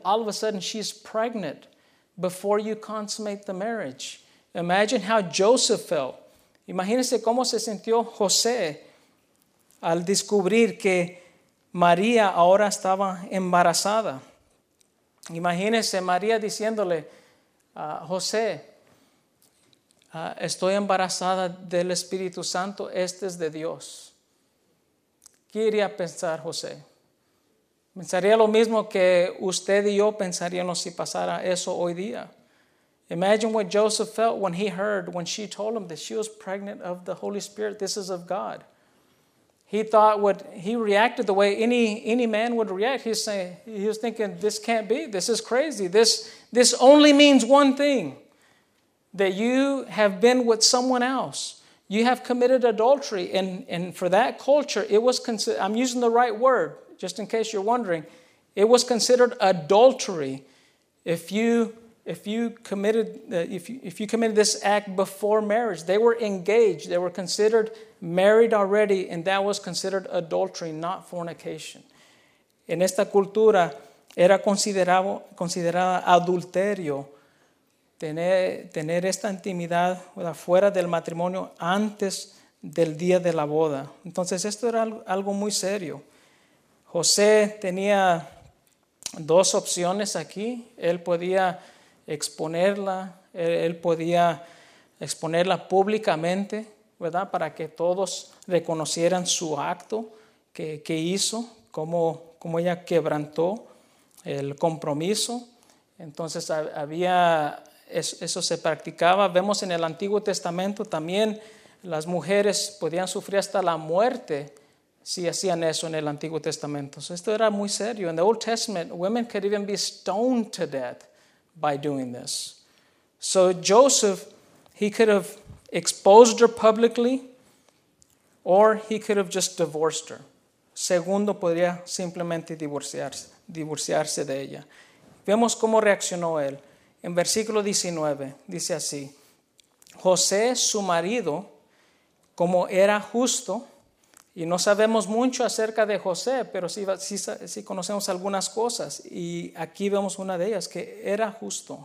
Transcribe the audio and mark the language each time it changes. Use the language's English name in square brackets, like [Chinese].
[English] All of a sudden, she's pregnant before you consummate the marriage. Imagine how Joseph felt. [Spanish] Imagínese cómo se sintió José al descubrir que María ahora estaba embarazada. Imagínese María diciéndole, José, Estoy embarazada del Espíritu Santo, este es de Dios. ¿Qué iría a pensar José? Pensaría lo mismo que usted y yo pensaríamos si pasara eso hoy día. [English] Imagine what Joseph felt when he heard, when she told him that she was pregnant of the Holy Spirit. This is of God. He thought what he reacted the way any man would react. He's saying, he was thinking, this can't be. This is crazy. This only means one thing, that you have been with someone else. You have committed adultery. And for that culture, it was considered, I'm using the right word, just in case you're wondering, it was considered adultery if you committed this act before marriage. They were engaged. They were considered married already, and that was considered adultery, not fornication. [Spanish] En esta cultura era considerada adulterio tener esta intimidad fuera del matrimonio antes del día de la boda. Entonces esto era algo muy serio. José tenía dos opciones aquí. Él podía exponerla. Él podía exponerla públicamente, ¿verdad? Para que todos reconocieran su acto que hizo, cómo ella quebrantó el compromiso. Entonces había, eso se practicaba. Vemos en el Antiguo Testamento también las mujeres podían sufrir hasta la muerte si hacían eso en el Antiguo Testamento. So esto era muy serio. [English] In the Old Testament, women could even be stoned to death by doing this. So Joseph, he could have exposed her publicly, or he could have just divorced her. [Spanish] Segundo, podría simplemente divorciarse de ella. Vemos cómo reaccionó él. En versículo 19, dice así, José, su marido, como era justo, y no sabemos mucho acerca de José, pero sí conocemos algunas cosas, y aquí vemos una de ellas, que era justo.